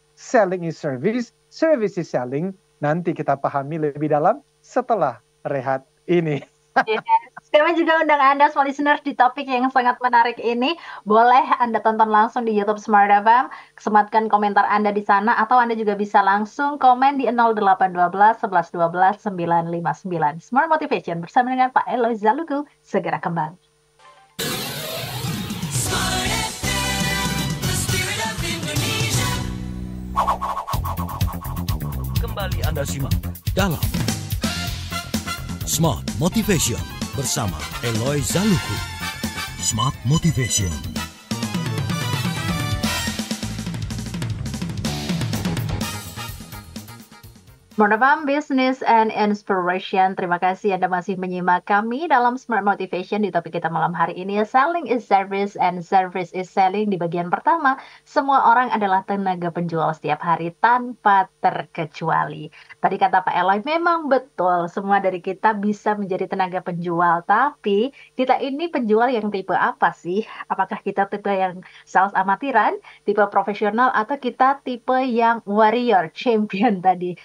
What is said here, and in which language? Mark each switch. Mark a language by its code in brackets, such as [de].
[en] Selling is service, service is selling. [id] Nanti kita pahami lebih dalam setelah rehat ini. Kami juga undang Anda semua listeners di topik yang sangat menarik ini. Boleh Anda tonton langsung di YouTube Smart FM. Sematkan komentar Anda di sana. Atau Anda juga bisa langsung komen di 0812-1112-959. Smart Motivation bersama dengan Pak Eloy Zalugu. Segera kembali. Kembali Anda simak dalam Smart Motivation bersama Eloy Zalukhu. Smart Motivation. Mornavam Business and Inspiration. Terima kasih Anda masih menyimak kami dalam Smart Motivation di topik kita malam hari ini. [en] Selling is service and service is selling. [id] Di bagian pertama, semua orang adalah tenaga penjual setiap hari tanpa terkecuali. Tadi kata Pak Eloy, memang betul semua dari kita bisa menjadi tenaga penjual. Tapi kita ini penjual yang tipe apa sih? Apakah kita tipe yang sales amatiran, tipe profesional, atau kita tipe yang warrior, champion tadi?